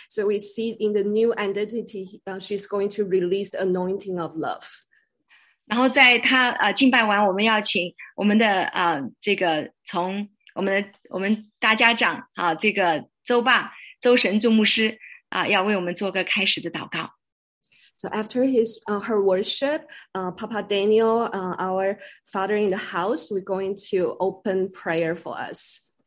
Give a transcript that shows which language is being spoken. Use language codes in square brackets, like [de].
[en] So we see in the new identity, she's going to release the anointing of love. [zh] 然后在她敬拜完，我们要请我们的这个从我们大家长这个周爸周神祝牧师要为我们做个开始的祷告。 [en] So after his her worship, Papa Daniel, our father in the house, we're going to open prayer for us.